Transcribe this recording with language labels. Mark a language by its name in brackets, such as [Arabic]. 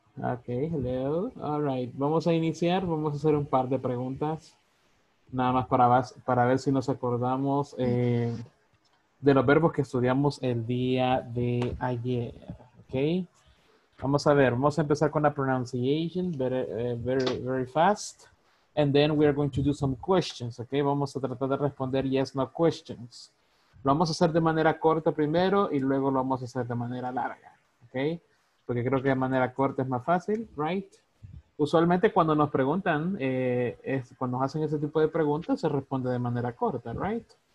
[English] Ok, hello, all right, [Spanish] vamos a iniciar, vamos a hacer un par de preguntas, nada más para ver si nos acordamos de los verbos que estudiamos el día de ayer, ok. Vamos a ver, vamos a empezar con la [English] pronunciation very fast. And then we are going to do some questions, ok? [Spanish] Vamos a tratar de responder [English] yes, no questions. [Spanish] Lo vamos a hacer de manera corta primero y luego lo vamos a hacer de manera larga, ok? Porque creo que de manera corta es más fácil, right? Usualmente cuando nos preguntan, cuando nos hacen ese tipo de preguntas, se responde de manera corta, right?